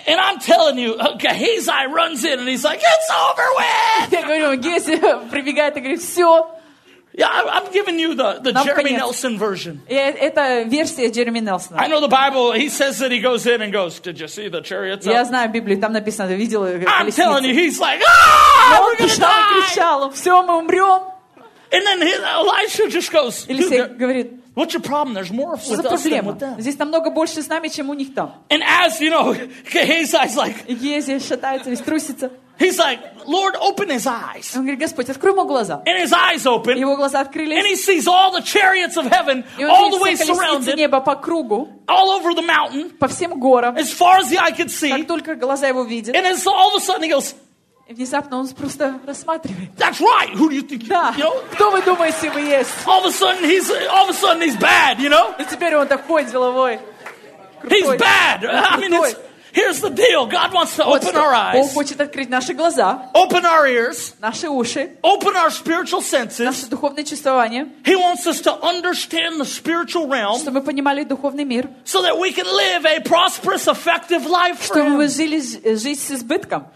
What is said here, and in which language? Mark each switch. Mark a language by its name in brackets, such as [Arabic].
[English] And I'm telling you, Gehazi runs in and he's like, "It's over with!" [Russian] Я говорю, Гези прибегает и говорит, все. [English] Yeah, I'm giving you the Jeremy Nelson version. [Russian] Это версия Джереми Нельсона. [English] I know the Bible. He says that he goes in and goes, "Did you see the chariots?" [Russian] Я знаю Библию. Там написано, видел колесницы. [English] I'm telling you, he's like, "Ah, we're gonna die!" [Russian] Он кричал, "Все, мы умрем!" [English] And then Elisha just goes, [Russian] "Елисей говорит, [English] what's your problem? There's more with us than with them." [Russian] Здесь намного больше с нами, чем у них там. [English] And as you know, Gehazi's like, [Russian] Гезия шатается, весь трусится. [English] He's like, "Lord, open his eyes." [Russian] Он говорит, Господь, открой ему глаза. [English] And his eyes open. [Russian] Его глаза открылись. [English] And he sees all the chariots of heaven all the way surrounded. [Russian] Видит небо по кругу. [English] All over the mountain. [Russian] По всем горам. [English] As far as the eye could see. [Russian] Как только глаза его видят. [English] And then all of a sudden he goes. [Russian] И внезапно он просто рассматривает. [English] That's right. Who do you think? [Russian] Да. [English] You know? [Russian] Кто вы думаете, вы есть? [English] All of a sudden he's bad, you know? [Russian] И теперь он такой деловой. [English] He's bad. I mean, it's. Here's the deal. God wants to open our eyes. [Russian] Бог хочет открыть наши глаза. [English] Open our ears. [Russian] Наши уши. [English] Open our spiritual senses. [Russian] Наше духовное чувствование. [English] He wants us to understand the spiritual realm. [Russian] Чтобы мы понимали духовный мир. [English] So that we can live a prosperous, effective life. [Russian] Чтобы мы жили жизнь с избытком.